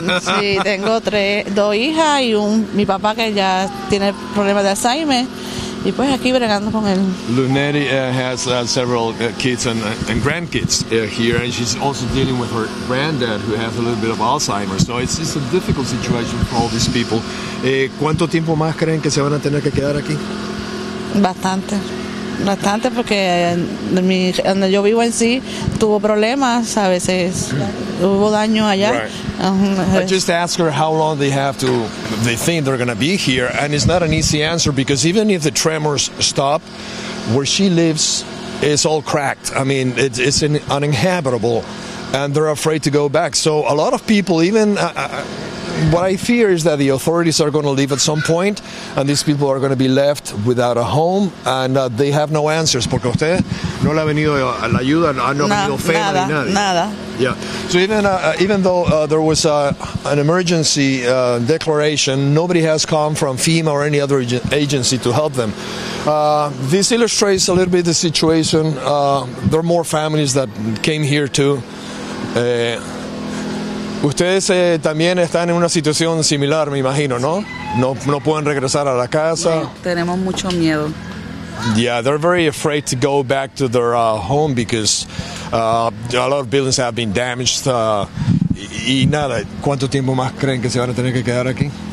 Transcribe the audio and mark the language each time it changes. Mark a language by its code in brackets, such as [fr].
[es] Sí, tengo dos hijas y mi papá que ya tiene problemas de Alzheimer. Y pues aquí bregando con él. [en] Lunetti has several kids and grandkids here, and she's also dealing with her granddad who has a little bit of Alzheimer's. So it's a difficult situation for all these people. [es] ¿Cuánto tiempo más creen que se van a tener que quedar aquí? Bastante. Bastante, porque donde yo vivo en sí tuvo problemas a veces. Hubo daño allá. [en] Right. I just asked her how long they think they're going to be here, and it's not an easy answer, because even if the tremors stop, where she lives is all cracked. I mean, it's uninhabitable, and they're afraid to go back. So a lot of people, even what I fear is that the authorities are going to leave at some point, and these people are going to be left without a home, and they have no answers. [es] Porque usted No le ha venido la ayuda, no ha venido FEMA ni nadie. Nada. [en] Yeah. So even though there was an emergency declaration, nobody has come from FEMA or any other agency to help them. This illustrates a little bit the situation. There are more families that came here too. [es] Ustedes también están en una situación similar, me imagino, ¿no? No pueden regresar a la casa. Sí, tenemos mucho miedo. [en] Yeah, they're very afraid to go back to their home because a lot of buildings have been damaged. [es] Y nada, ¿cuánto tiempo más creen que se van a tener que quedar aquí?